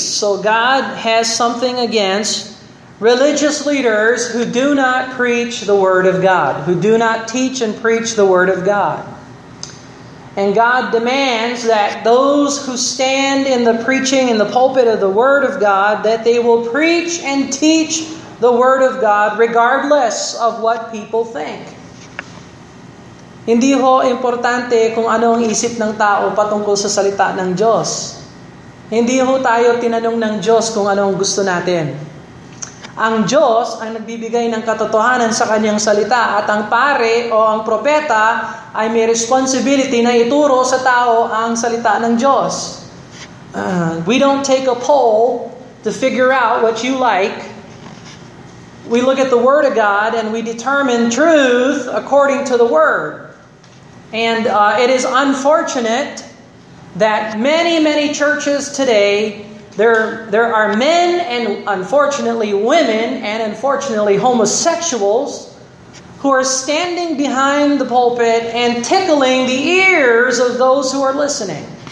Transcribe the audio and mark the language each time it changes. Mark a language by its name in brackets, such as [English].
[English] So God has something against religious leaders who do not preach the word of God, who do not teach and preach the word of God. And God demands that those who stand in the preaching in the pulpit of the word of God, that they will preach and teach the word of God regardless of what people think. [Filipino] Hindi ho importante kung ano ang isip ng tao patungkol sa salita ng Diyos. Hindi ho tayo tinanong ng Diyos kung ano ang gusto natin. Ang Diyos ang nagbibigay ng katotohanan sa kanyang salita at ang pare o ang propeta ay may responsibility na ituro sa tao ang salita ng Diyos. [English] We don't take a poll to figure out what you like. We look at the Word of God and we determine truth according to the Word. And it is unfortunate that many, many churches today, there are men and unfortunately women and unfortunately homosexuals who are standing behind the pulpit and tickling the ears of those who are listening.